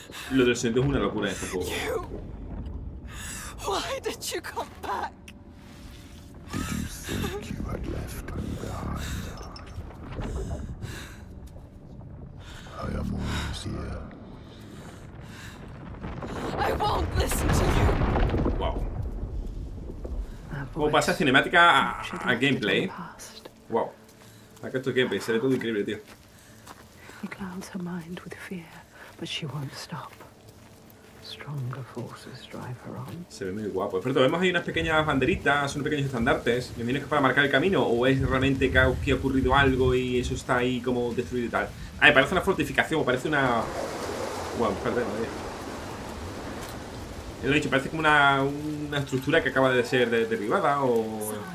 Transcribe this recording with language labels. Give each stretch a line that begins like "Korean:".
Spanish: Lo del sentido es una locura en este juego.
English: Why did you come back? Did you think you had left me behind? I am always here. I won't listen to you. Wow.
Spanish: cómo pasa cinemática a gameplay. Wow. Acá esto es gameplay, se ve todo increíble, tío.
English: He clouds her mind with fear, but she won't stop. Stronger forces drive her on.
Spanish: Se ve muy guapo. Por cierto, vemos ahí unas pequeñas banderitas, unos pequeños estandartes. ¿Me vienes para marcar el camino? ¿O es realmente que ha ocurrido algo y eso está ahí como destruido y tal? Ah, me parece una fortificación, parece una... Bueno, perdón, no. Ya lo he dicho, parece como una estructura que acaba de ser derribada o...